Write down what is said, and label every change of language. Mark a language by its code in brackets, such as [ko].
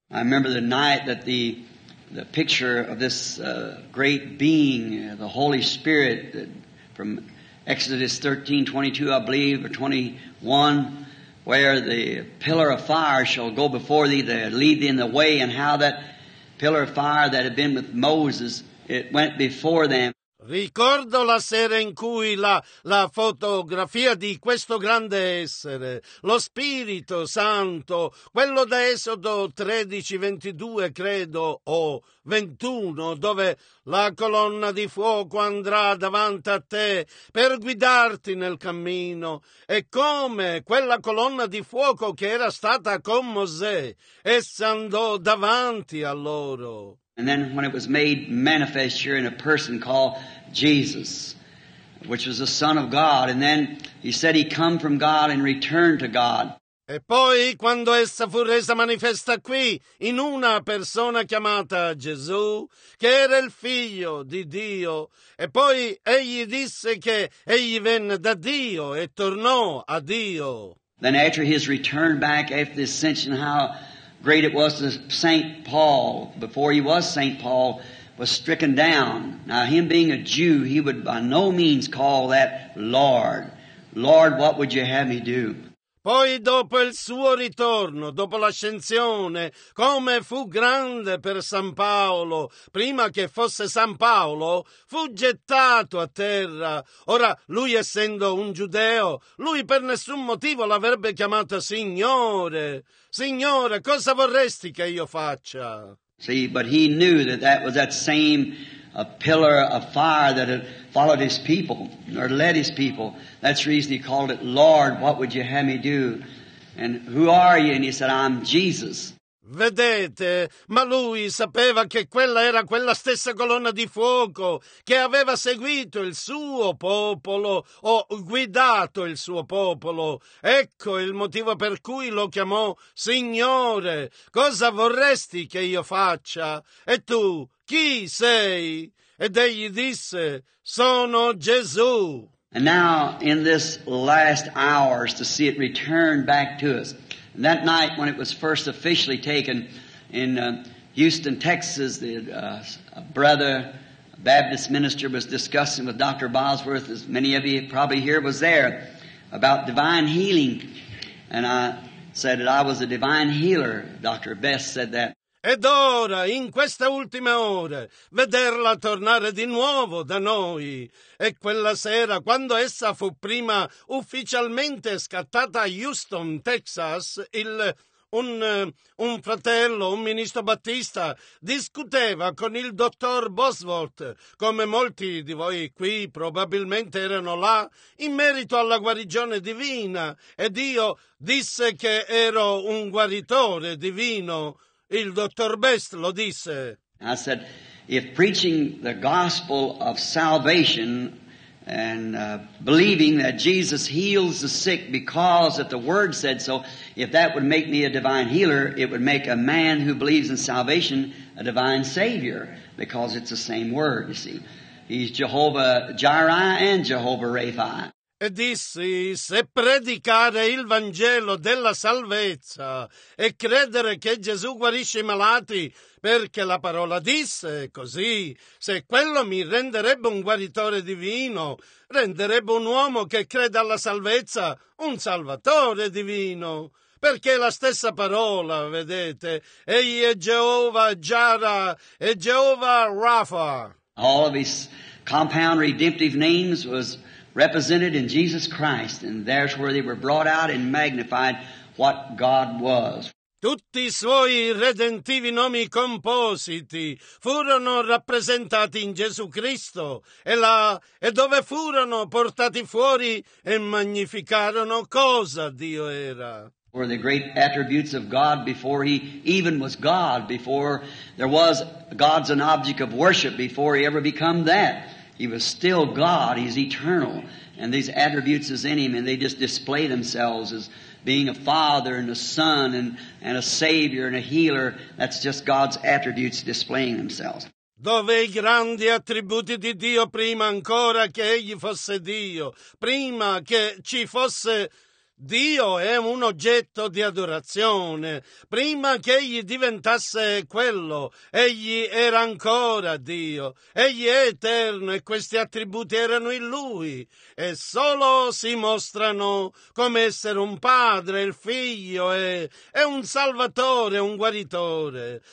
[en] I remember the night that the picture of this great being, the Holy Spirit, from Exodus 13:22, I believe, or 21, where the pillar of fire shall go before thee to lead thee in the way, and how that pillar of fire that had been with Moses, it went before them. [it] Ricordo la sera in cui la fotografia di questo grande essere, lo Spirito Santo, quello da Esodo 13:22, credo, o 21, dove la colonna di fuoco andrà davanti a te per guidarti nel cammino, e come quella colonna di fuoco che era stata con Mosè, essa andò davanti a loro. [en] And then when it was made manifest here in a person called Jesus, which was the Son of God, and then he said he come from God and returned to God. [it] E poi quando essa fu resa manifesta qui in una persona chiamata Gesù, che era il figlio di Dio, e poi egli disse che egli venne da Dio e tornò a Dio. [en] Then after his return back, after the ascension, how great it was to Saint Paul, before he was Saint Paul, was stricken down. Now him being a Jew, he would by no means call that Lord. Lord, what would you have me do? [it] Poi dopo il suo ritorno, dopo l'ascensione, come fu grande per San Paolo, prima che fosse San Paolo, fu gettato a terra. Ora, lui essendo un giudeo, lui per nessun motivo l'avrebbe chiamato Signore. Signore, cosa vorresti che io faccia? [en] Sì, but he knew that that was that same a pillar of fire that had followed his people, or led his people. That's the reason he called it, Lord, what would you have me do? And who are you? And he said, I'm Jesus. [it] Vedete, ma lui sapeva che quella era quella stessa colonna di fuoco che aveva seguito il suo popolo o guidato il suo popolo. Ecco il motivo per cui lo chiamò Signore. Cosa vorresti che io faccia? E tu, chi sei? Ed egli disse, sono Gesù. [en] And now in this last hours to see it return back to us. And that night when it was first officially taken in Houston, Texas, a brother, a Baptist minister, was discussing with Dr. Bosworth, as many of you probably here was there, about divine healing. And I said that I was a divine healer. Dr. Best said that. [it] Ed ora, in queste ultime ore, vederla tornare di nuovo da noi. E quella sera, quando essa fu prima ufficialmente scattata a Houston, Texas, un fratello, un ministro battista, discuteva con il dottor Bosworth, come molti di voi qui probabilmente erano là, in merito alla guarigione divina. Ed io disse che ero un guaritore divino. Il dottor Best lo disse. [en] I said, if preaching the gospel of salvation and believing that Jesus heals the sick because that the word said so, if that would make me a divine healer, it would make a man who believes in salvation a divine savior, because it's the same word, you see. He's Jehovah Jireh and Jehovah Rapha. [it] E dissi, se predicare il Vangelo della salvezza e credere che Gesù guarisce i malati, perché la parola disse così, se quello mi renderebbe un guaritore divino, renderebbe un uomo che crede alla salvezza un salvatore divino. Perché la stessa parola, vedete, egli è Jehovah Jireh e Jehovah Rapha. [en] All of his compound redemptive names was represented in Jesus Christ, and there's where they were brought out and magnified what God was. [it] Tutti i suoi redentivi nomi compositi furono rappresentati in Gesù Cristo, e là, e dove furono portati fuori e magnificarono cosa Dio era. [en] Were the great attributes of God before he even was God, before there was God's an object of worship, before he ever became that. He was still God. He's eternal. And these attributes is in Him, and they just display themselves as being a Father and a Son and a Savior and a Healer. That's just God's attributes displaying themselves. [it] Dove i grandi attributi di Dio prima ancora che Egli fosse Dio, prima che ci fosse Dio è un oggetto di adorazione, prima che Egli diventasse quello, Egli era ancora Dio, Egli è eterno e questi attributi erano in Lui e solo si mostrano come essere un padre, il figlio e un salvatore, un guaritore.